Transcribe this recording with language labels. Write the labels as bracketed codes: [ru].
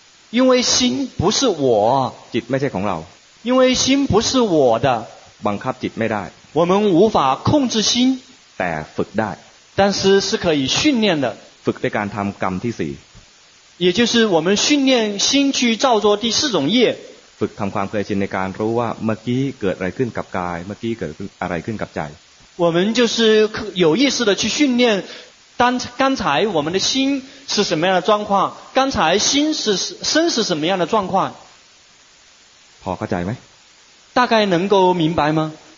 [zh] 因为心不是我 [th] จิตไม่ใช่ของเรา [zh] 因为心不是我的 [th] บังคับจิตไม่ได้ [zh] 我们无法控制心 [th] แต่ฝึกได้ [zh] 但是是可以训练的 [th] ฝึกด้วยการทำกรรมที่สี่ [zh] 也就是我们训练心去造作第四种业 [th] ฝึกทำความเคยชินในการรู้ว่าเมื่อกี้เกิดอะไรขึ้นกับกายเมื่อกี้เกิดอะไรขึ้นกับใจ [zh] 我们就是有意识的去训练当刚才我们的心是什么样的状况刚才身是什么样的状况 [th] พอเข้าใจไหม [zh] 大概能够明白吗